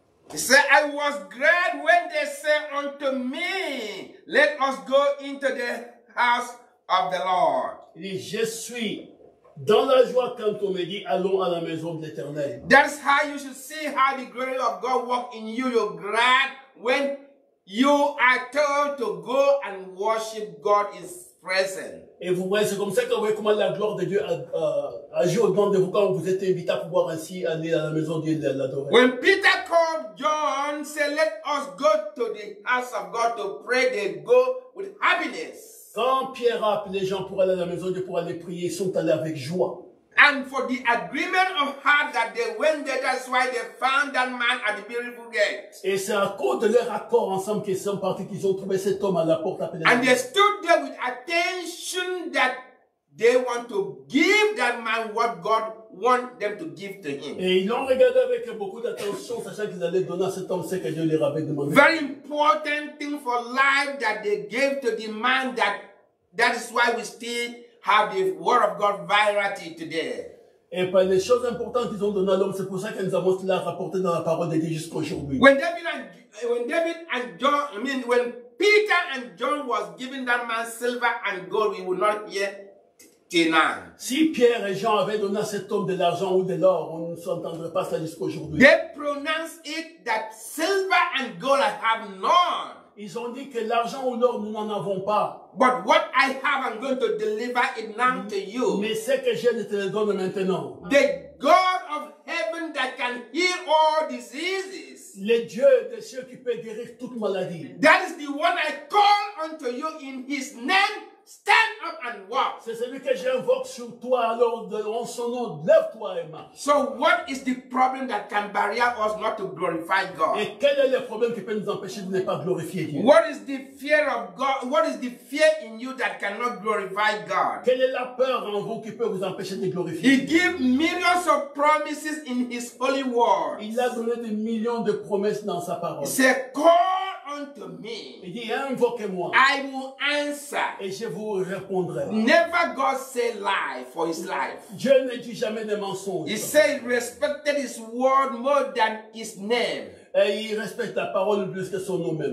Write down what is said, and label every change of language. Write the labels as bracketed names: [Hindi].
[English] He said, I was glad when they said unto me, let us go into the house of the Lord. [French] Et je suis dans la joie quand on me dit allons à la maison de l'Éternel. [English] That's how you should see how the glory of God work in you. You're glad when you are told to go and worship God is present. [French] Et vous voyez, c'est comme ça que vous voyez comment la gloire de Dieu agit au dedans de vous quand vous êtes invité à pouvoir ainsi aller à la maison de Dieu l'adorer. [English] When Peter called John, said, let us go to the house of God to pray. They go with happiness. [French] Quand Pierre a appelé les gens pour aller à la maison de pour aller prier, ils sont allés avec joie. [English] And for the agreement of heart that they went there, that's why they found that man at the beautiful gate. [French] Et c'est à cause de leur accord ensemble qu'ils sont partis, qu'ils ont trouvé cet homme à la porte appelée. [English] And they stood there with attention that they want to give that man what God want them to give to him. [French] Et ils l'ont regardé avec beaucoup d'attention, sachant qu'ils allaient donner à cet homme ce que Dieu leur avait demandé. [English] Very important thing for life that they gave to the man that is why we still have the word of God virality today. [French] Et par les choses importantes qu'ils ont donné à l'homme, c'est pour ça que nous avons cela rapporté dans la parole de Dieu jusqu'à aujourd'hui. [English] When Peter and John was giving that man silver and gold, we would not hear. [French] Si Pierre et Jean avaient donné à cet homme de l'argent ou de l'or, on ne s'entendrait pas ça jusqu'à aujourd'hui. [English] They pronounced it that silver and gold I have none. [French] Ils ont dit que l'argent ou l'or nous n'en avons pas. [English] But what I have, I'm going to deliver it now to you. [French] Mais ce que j'ai, je te le donne maintenant. [English] The God of heaven that can heal all diseases. [French] Le Dieu des cieux qui peut guérir toute maladie. [English] That is the one I call unto you in His name. Stand up and walk. [French] C'est celui que j'invoque sur toi alors de son nom, lève-toi et marche. [English] So what is the problem that can barrier us not to glorify God? [French] Et quel est le problème qui peut nous empêcher de ne pas glorifier Dieu? [English] What is the fear of God? What is the fear in you that cannot glorify God? [French] Quelle est la peur en vous qui peut vous empêcher de glorifier? [English] He gave millions of promises in His holy word. [French] Il a donné des millions de promesses dans sa parole. C'est quoi? [English] Unto me, [French] il dit, invoquez-moi. [English] I will answer. [French] Et je vous répondrai. [English] Never God say lie for his life. [French] Dieu ne dit jamais de mensonge. [English] He said respected his word more than his name. [French] Et il respecte la parole plus que son nom même.